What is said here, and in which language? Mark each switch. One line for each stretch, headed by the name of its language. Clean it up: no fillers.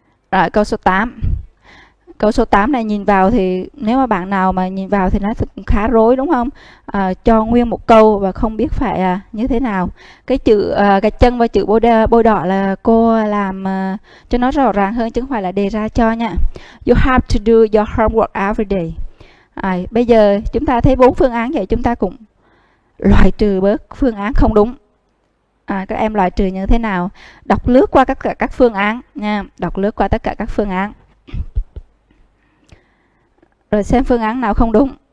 Vietnamese: Rồi, câu số 8. Câu số 8 này nhìn vào thì nếu mà bạn nào mà nhìn vào thì nó khá rối đúng không? Cho nguyên một câu và không biết phải như thế nào. Cái chữ gạch chân và chữ bôi đỏ là cô làm cho nó rõ ràng hơn chứ không phải là đề ra cho nha.
English: You have to do your homework every day.
Vietnamese: Bây giờ chúng ta thấy bốn phương án vậy chúng ta cũng loại trừ bớt phương án không đúng. Các em loại trừ như thế nào? Đọc lướt qua tất cả các phương án nha. Đọc lướt qua tất cả các phương án. Rồi xem phương án nào không đúng.